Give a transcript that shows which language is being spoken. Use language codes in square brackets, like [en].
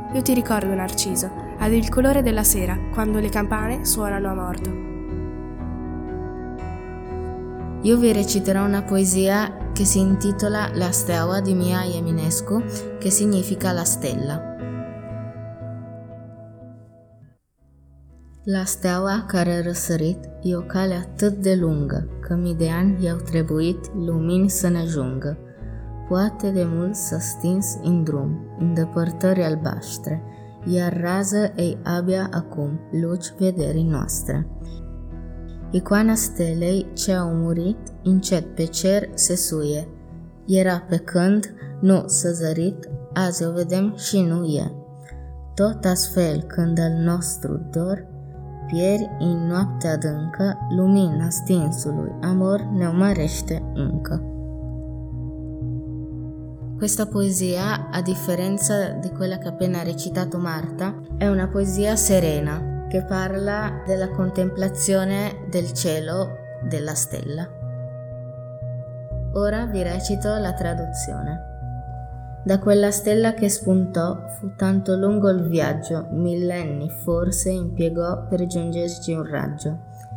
[it] Io ti ricordo, Narcisa, ad il colore della sera, quando le campane suonano a morto. Io vi reciterò una poesia che si intitola La Steaua di Mia Ieminescu, che significa la stella. [ro] La steaua care răsărit, e o cale atât de lungă, că mii de ani i-au trebuit lumini să ne ajungă. Poate de mult s-a stins în drum, îndepărtări albaștre, iar rază ei abia acum luci vederii noastre. Icoana stelei ce au murit, încet pe cer se suie. Era pe când, nu s-a zărit, azi o vedem și nu e. Tot astfel când al nostru dor, pieri în noapte adâncă, lumina stinsului amor ne umărește încă. [it] Questa poesia, a differenza di quella che ha appena recitato Marta, è una poesia serena, che parla della contemplazione del cielo, della stella. Ora vi recito la traduzione. Da quella stella che spuntò fu tanto lungo il viaggio, millenni forse impiegò per giungerci un raggio.